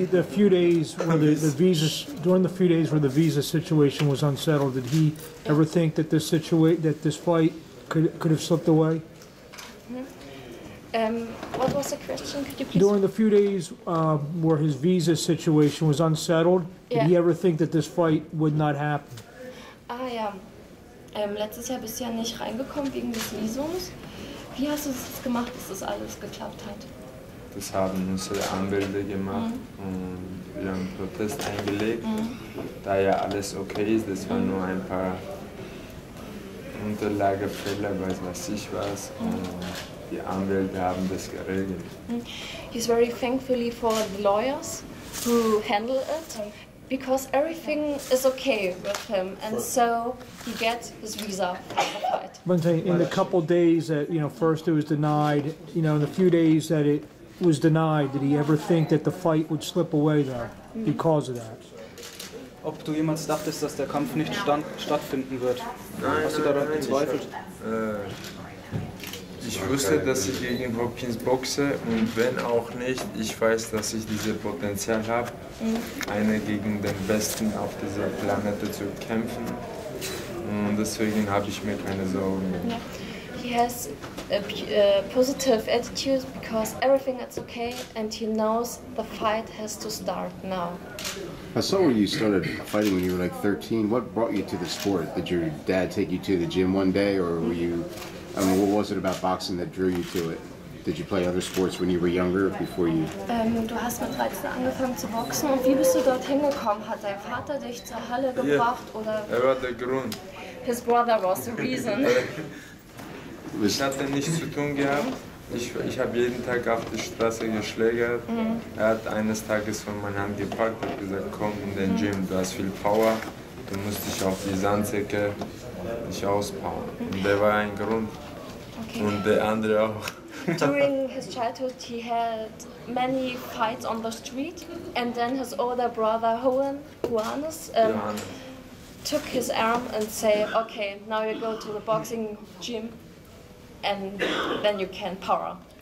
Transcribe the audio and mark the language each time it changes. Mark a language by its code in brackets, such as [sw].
[en] During the few days where the visa situation was unsettled, did he ever think that this fight could have slipped away? What was the question? Could you please? During the few days where his visa situation was unsettled, did he ever think that this fight would not happen? [de] Letztes Jahr bist du ja nicht reingekommen wegen des Visums. Wie hast du es gemacht, dass das alles geklappt hat? das haben unsere Anwälte gemacht und wir haben Protest eingelegt. Da ja alles okay ist, das waren nur ein paar Unterlagefehler, weiß ich was. Die Anwälte haben das geregelt. [en] He's very thankfully for the lawyers who handle it, because everything is okay with him, and so he gets his visa. In the couple days that, you know, first it was denied, you know, in the few days that it was denied, did he ever think that the fight would slip away though because of that? [de] Ob du jemals dachtest, dass der Kampf nicht stattfinden wird? Hast du daran gezweifelt? Ich wusste, dass ich gegen Hopkins boxe und wenn auch nicht, ich weiß, dass ich dieses Potenzial habe, einer gegen den Besten auf dieser Planete zu kämpfen. Und deswegen habe ich mir keine Sorgen. [en] He has a positive attitude because everything is okay and he knows the fight has to start now. I saw where you started fighting when you were like 13. What brought you to the sport? Did your dad take you to the gym one day or were you... I mean, what was it about boxing that drew you to it? Did you play other sports when you were younger, before you... [de] Du hast mit 13 angefangen zu boxen. Und wie bist du dorthin gekommen? Hat dein Vater dich zur Halle gebracht, oder... Er war der Grund. [en] His brother was the reason. [de] Ich hatte nichts zu tun gehabt. Ich habe jeden Tag auf die Straße geschlägert. Er hat eines Tages von meiner Hand gepackt und gesagt, komm in den Gym, du hast viel Power. Du musst dich auf die Sandsäcke nicht ausbauen. Und der war ein Grund. Okay. Und der andere auch. [en] During his childhood he had many fights on the street. And then his older brother Johannes took his arm and said, okay, now you go to the boxing gym and then you can power.